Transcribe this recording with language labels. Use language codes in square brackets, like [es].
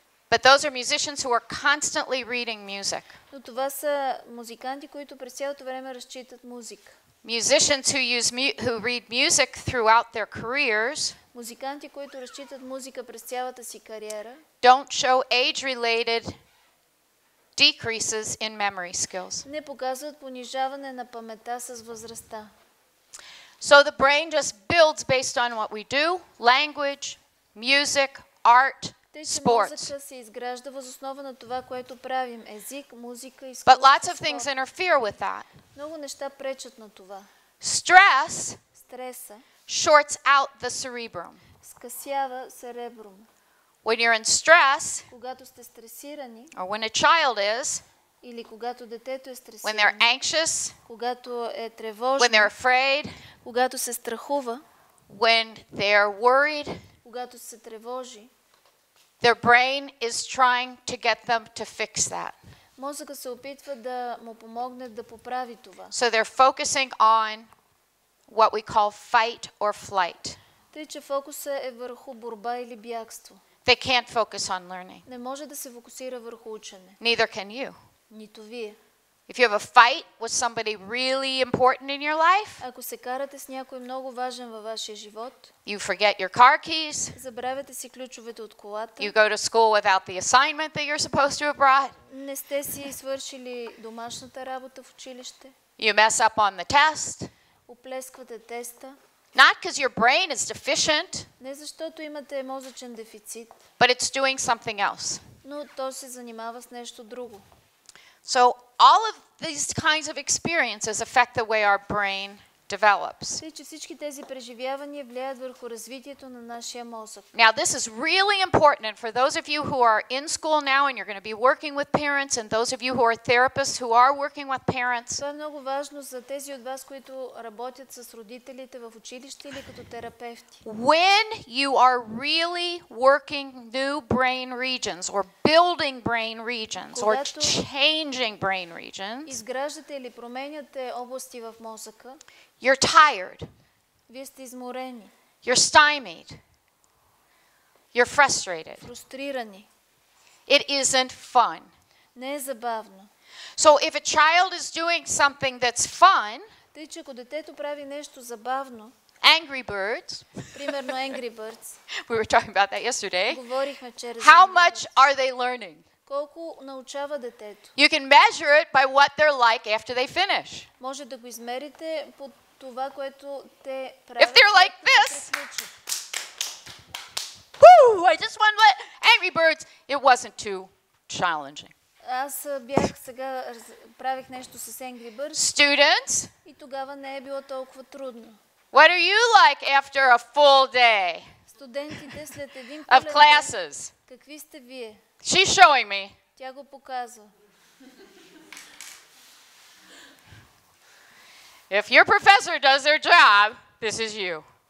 [en] But those are musicians who are constantly reading music. [bg] Но това са музиканти, които през цялото време разчитат музика. [en] Musicians who read music throughout their careers. [bg] Музиканти, които разчитат музика през цялата си кариера. [en] Don't show age-related decreases in memory skills. [bg] Не показват понижаване на паметта с възрастта. [en] So the brain just builds based on what we do: language, music, art. [bg] Мозъка се изгражда въз основа на това, което правим. Език, музика, изкуство. [en] But lots of things interfere with that. [bg] Много неща пречат на това. [en] Stress [bg] стреса [en] shorts out the cerebrum. [bg] скъсява cerebrum. [en] When you're in stress, [bg] когато сте стресирани, [en] or when a child is, [bg] или когато детето е стресирано, [en] when they're anxious, [bg] когато е тревожно, [en] when they're afraid, [bg] когато се страхува, [en] when they're worried, [bg] когато се тревожи, [en] their brain is trying to get them to fix that. [bg] Мозъкът се опитва да му помогне да поправи това. [en] So they're focusing on what we call fight or flight. [bg] Тъй, че фокусът е върху борба или бягство. [en] They can't focus on learning. [bg] Не може да се фокусира върху учене. [en] Neither can you. [bg] Нито вие. [en] If you have a fight with somebody really important in your life, [bg] ако се карате с някой много важен във вашия живот, [en] you forget your car keys, [bg] забравяте си ключовете от колата, [en] you go to school without the assignment that you're supposed to have brought, [bg] не сте си свършили домашната работа в училище, [en] you mess up on the test, [bg] оплесквате теста, [en] not because your brain is deficient, [bg] не защото имате мозъчен дефицит, [en] but it's doing something else, [bg] но то се занимава с нещо друго. [en] So all of these kinds of experiences affect the way our brain develops. [bg] Всички тези преживявания влияят върху развитието на нашия мозък. [en] Now this is really important for those of you who are in school now and you're going to be working with parents and those of you who are therapists who are working with parents. [bg] Това е много важно за тези от вас, които работят с родителите в училище или като терапевти. [en] When you are really working new brain regions or building brain regions or changing brain regions. [bg] Изграждате или променяте области в мозъка. [en] You're tired. [bg] Вие сте изморени. [en] You're stymied. You're frustrated. [bg] Фрустрирани. [en] It isn't fun. [bg] Не е забавно. [en] So if a child is doing something that's fun, [bg] тъй, че ако детето прави нещо забавно, [en] Angry Birds. [bg] Примерно Angry Birds. [en] We were talking about that yesterday. [bg] Говорихме вчера. [en] How much are they learning? [bg] Колко научава детето? [en] You can measure it by what they're like after they finish. [bg] Може да го измерите по това, което те правят. [en] If they're like this. Woo, I just want to let Angry Birds. It wasn't too challenging. [bg] Аз бях сега правих нещо с Angry Birds. [en] Students. [bg] И тогава не е било толкова трудно. [en] What are you like after a full day? [bg] Студентите след един [en] of classes. [bg] Какви сте вие? [en] She's showing me. [bg] Тя го показва. [en] If your professor does their job, this is you.